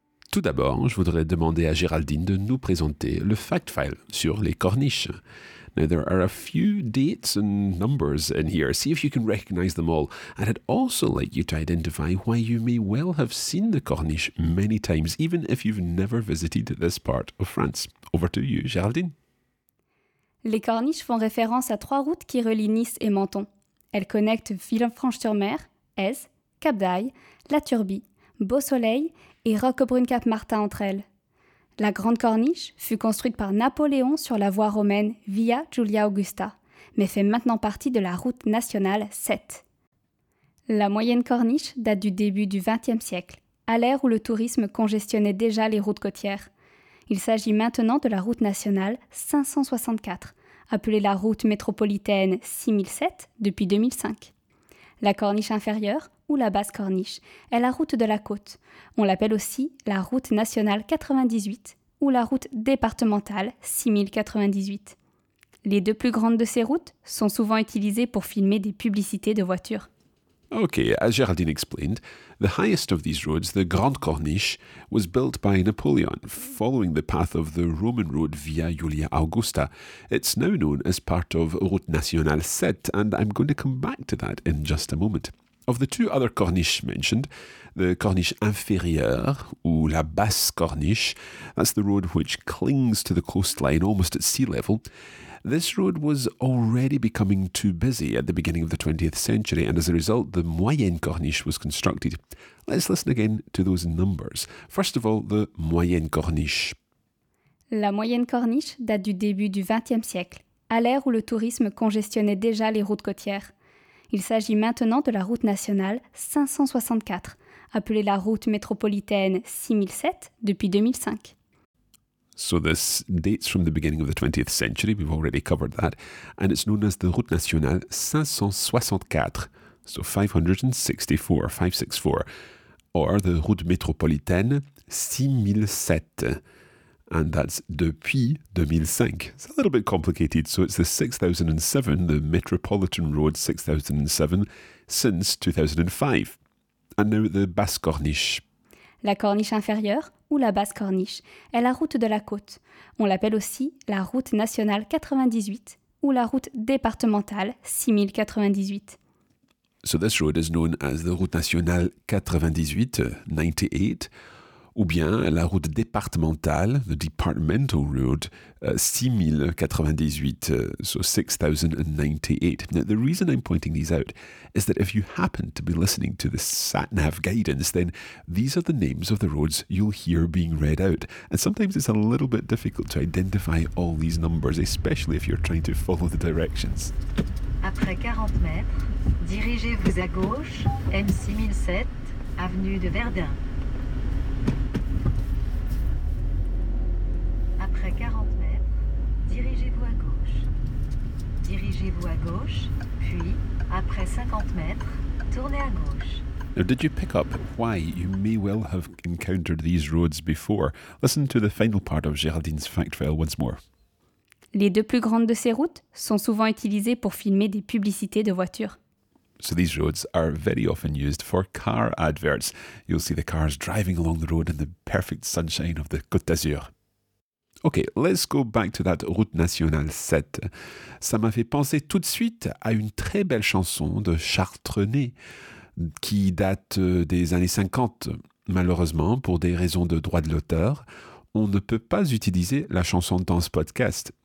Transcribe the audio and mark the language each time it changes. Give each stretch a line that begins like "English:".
French: Tout d'abord, je voudrais demander à Géraldine de nous présenter le
English: fact file
French: sur les corniches.
English: Now, there are a few dates and numbers in here. See if you can recognize them all. And I'd also like you to identify why you may well have seen the corniche many times, even if you've never visited this part of France. Over to you, Géraldine.
French: Les corniches font référence à trois routes qui relient Nice et Menton. Elles connectent Villefranche-sur-Mer, Aise, Cap d'Aille, La Turbie, Beausoleil et Roquebrune-Cap-Martin entre elles. La Grande Corniche fut construite par Napoléon sur la voie romaine Via Giulia Augusta, mais fait maintenant partie de la route nationale 7. La Moyenne Corniche date du début du XXe siècle, à l'ère où le tourisme congestionnait déjà les routes côtières. Il s'agit maintenant de la route nationale 564, appelée la route métropolitaine 6007 depuis 2005. La Corniche inférieure, ou la basse corniche, est la route de la côte. On l'appelle aussi la route nationale 98 ou la route départementale 6098. Les deux plus grandes de ces routes sont souvent utilisées pour filmer des publicités de voitures.
English: Ok, as Géraldine explained, the highest of these roads, the Grande Corniche, was built by Napoleon, following the path of the Roman road Via Julia Augusta. It's now known as part of Route Nationale 7, and I'm going to come back to that in just a moment. Of the two other corniches mentioned, the
French: corniche inférieure, ou la basse corniche,
English: that's the road which clings to the coastline almost at sea level, this road was already becoming too busy at the beginning of the 20th century, and as a result, the moyenne corniche was constructed. Let's listen again to those numbers. First of all, the moyenne corniche.
French: La moyenne corniche date du début du XXe siècle, à l'ère où le tourisme congestionnait déjà les routes côtières. Il s'agit maintenant de la route nationale 564, appelée la route métropolitaine 6007 depuis 2005.
English: So this dates from the beginning of the 20th century, we've already covered that, and it's known as the route nationale 564, so 564, or the route métropolitaine 6007. And that's
French: depuis
English: 2005. It's a little bit complicated. So it's the 6007, the Metropolitan Road 6007, since 2005. And now the basse corniche.
French: La corniche inférieure, ou la basse corniche, est la route de la côte. On l'appelle aussi la route nationale 98, ou la route départementale 6098.
English: So this road is known as the route nationale 98,
French: ou bien la route départementale,
English: the departmental road, 6098. Now, the reason I'm pointing these out is that if you happen to be listening to the sat-nav guidance, then these are the names of the roads you'll hear being read out. And sometimes it's a little bit difficult to identify all these numbers, especially if you're trying to follow the directions.
French: Après 40 mètres, dirigez-vous à gauche, M6007, avenue de Verdun. Après 40 mètres, dirigez-vous à gauche. gauche. Dirigez-vous à gauche, puis, après 50 mètres, tournez à gauche.
English: Now, did you pick up why you may well have encountered these roads before? Listen to the final part of Géraldine's fact file once more.
French: Les deux plus grandes de ces routes sont souvent utilisées pour filmer des publicités de voitures.
English: So these roads are very often used for car adverts. You'll see the cars driving along the road in the perfect sunshine of the Côte d'Azur. Okay, let's go back to that route nationale 7.
French: Ça m'a fait penser tout de suite à une très belle chanson de Chartrenay qui date des années 50. Malheureusement, pour des raisons de droit de l'auteur, on ne peut pas utiliser la chanson dans ce podcast.